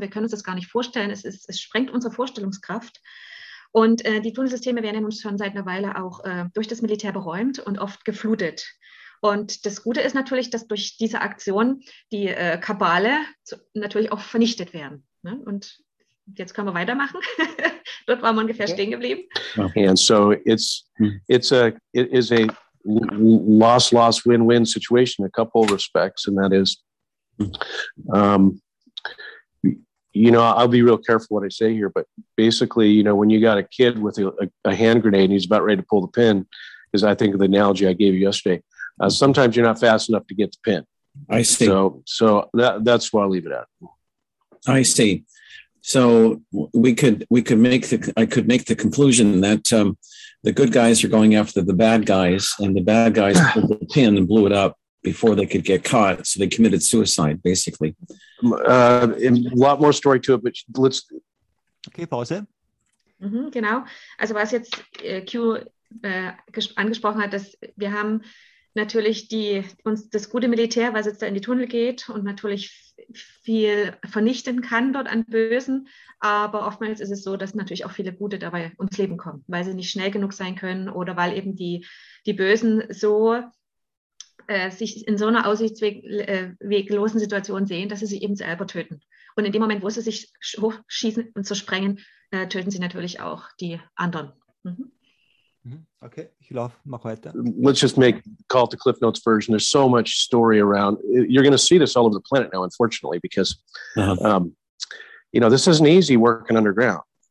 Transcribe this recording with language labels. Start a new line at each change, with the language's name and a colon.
German: Wir können uns das gar nicht vorstellen. Es sprengt unsere Vorstellungskraft. Und die Tunnelsysteme werden nun schon seit einer Weile auch durch das Militär beräumt und oft geflutet. Und das Gute ist natürlich, dass durch diese Aktion die Kabale natürlich auch vernichtet werden. Ne? Und jetzt können wir weitermachen. Dort waren wir ungefähr stehen geblieben.
English: And so it is a loss-loss-win-win situation in a couple of respects, and that is You know, I'll be real careful what I say here, but basically, you know, when you got a kid with a hand grenade and he's about ready to pull the pin, is I think the analogy I gave you yesterday, sometimes you're not fast enough to get the pin. I see. So that's why I'll leave it at. I see. So I could make the conclusion that the good guys are going after the bad guys, and the bad guys pulled the pin and blew it up before they could get caught. So they committed suicide, basically. A lot more story to it, but let's. Okay, pause it.
German: Mm-hmm, genau. Also was jetzt Q angesprochen hat, dass wir haben natürlich das gute Militär, was jetzt da in die Tunnel geht und natürlich viel vernichten kann dort an Bösen. Aber oftmals ist es so, dass natürlich auch viele Gute dabei ums Leben kommen, weil sie nicht schnell genug sein können oder weil eben die Bösen so sich in so einer aussichtsweglosen Situation sehen, dass sie sich eben selber töten. Und in dem Moment, wo sie sich hochschießen und so sprengen, töten sie natürlich auch die anderen. Mhm. Okay, ich laufe, mach weiter.
English: Let's just call it the Cliff Notes version. There's so much story around. You're going to see this all over the planet now, unfortunately, because, you know, this isn't easy working underground.